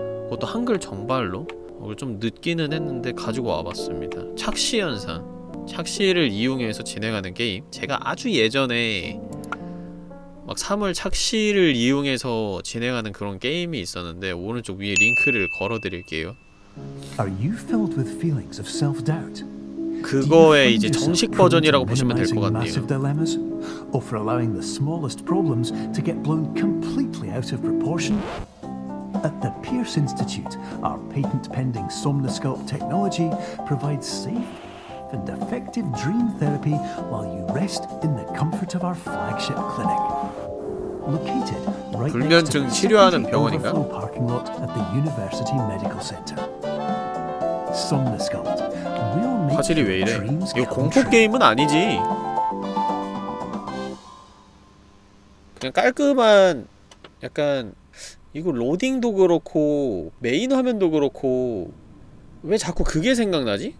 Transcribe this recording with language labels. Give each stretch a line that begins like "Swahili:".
Korean: 그것도 한글 정발로. 좀 늦기는 했는데 가지고 와봤습니다. 착시현상, 착시를 이용해서 진행하는 게임. 제가 아주 예전에 막 사물 착시를 이용해서 진행하는 그런 게임이 있었는데 오른쪽 위에 링크를 걸어드릴게요.
English: Are you filled with feelings of self-doubt?
Korean: 그거의 이제 정식 버전이라고 보시면 될 것 같네요.
English: Massive dilemmas, or for allowing the smallest problems to get blown completely out of proportion. At the Pierce Institute, our patent pending somnoscope technology provides safe and effective dream therapy while you rest in the comfort of our flagship clinic. Located right next to the overflow parking lot at the University Medical Center.
Korean: Somnoscope. 화질이 왜 이래? 이거 공포 게임은 아니지. 그냥 깔끔한 약간 이거 로딩도 그렇고 메인 화면도 그렇고 왜 자꾸 그게 생각나지?